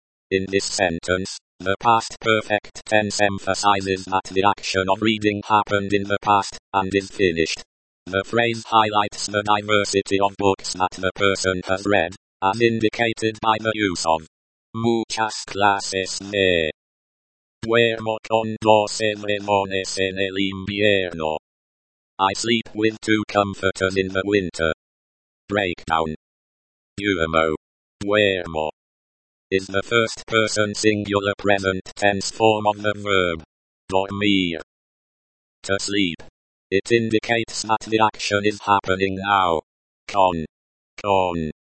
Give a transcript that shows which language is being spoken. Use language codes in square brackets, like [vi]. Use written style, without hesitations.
[en] In this sentence, the past perfect tense emphasizes that the action of reading happened in the past and is finished. The phrase highlights the diversity of books that the person has read, as indicated by the use of [es] muchas clases de. Duermo con dos edredones en el invierno. [en] I sleep with two comforters in the winter. Breakdown. Duermo. Duermo. Is the first person singular present tense form of the verb. Dormir. To sleep. It indicates that the action is happening now. Con. Con.